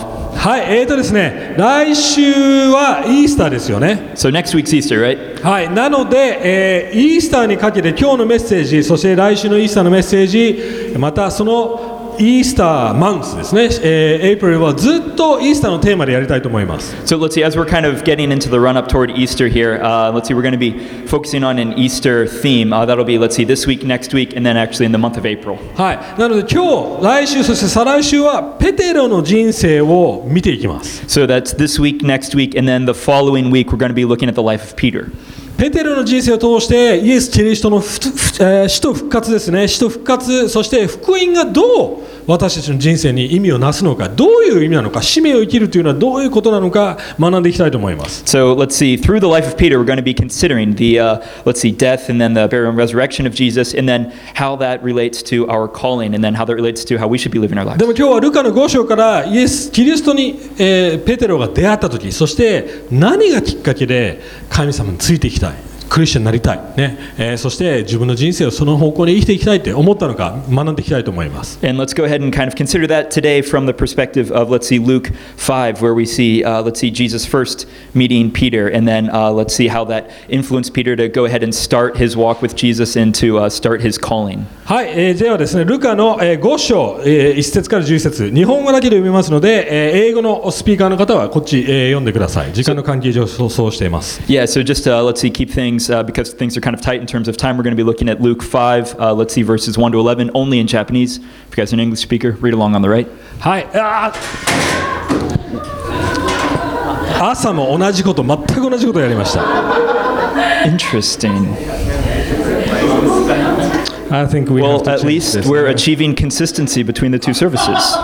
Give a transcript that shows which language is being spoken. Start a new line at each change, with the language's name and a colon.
Japanese: はい、ですね、来週はイースターですよね。
English: So next week's Easter, right?
Japanese: はい、なので、イースターにかけて今日のメッセージ、そして来週のイースターのメッセージ、またそのイースターマンスですね、April はずっとイースターのテーマでやりたいと思います。
English: So let's see, as we're kind of getting into the run-up toward Easter here, let's see, we're going to be focusing on an Easter theme. That'll be, let's see, this week, next week, and then actually in the month of April.
Japanese: はい、なので今日、来週、そして再来週はペテロの人生を見ていきます。
English: So that's this week, next week, and then the following week, we're going to be looking at the life of Peter.
Japanese: ペテロの人生を通してイエス・キリストの死と復活ですね、死と復活、そして福音がどう私たちの人生に意味をなすのか、どういう意味なのか、使命を生きるというのはどういうことなのか学んでいきたいと思います。
English: So let's see, through the life of Peter, we're going to be considering the, let's see, death and then the burial and resurrection of Jesus, and then how that relates to our calling, and then how that relates to how we should be living our lives.
Japanese: でも今日はルカの5章からイエス・キリストに、ペテロが出会ったとき、そして何がきっかけで神様についてきたクリスチャンになりたい、ね、そして自分の人生をその方向に生きていきたいって思ったのか学んでいきたいと思います。
English: And let's go ahead and kind of consider that today from the perspective of let's see Luke 5 where we see let's see Jesus first meeting Peter and then let's see how that influenced Peter to go ahead and start his walk with Jesus and to start his calling.
Japanese: はい、ではですねルカの5章、1節から10節日本語だけで読みますので、英語のスピーカーの方はこっち、読んでください。時間の関係上そうしています。
English: Yeah, so just let's see keep thinkingBecause things are kind of tight in terms of time, we're going to be looking at Luke 5, let's see, verses 1 to 11, only in Japanese. If you guys are an English speaker, read along on the right. Hi.
Japanese: 朝も同じこと、全く同じことをやりました。
English: Interesting. I think we well, have to at least this, we're achieving consistency between the two services.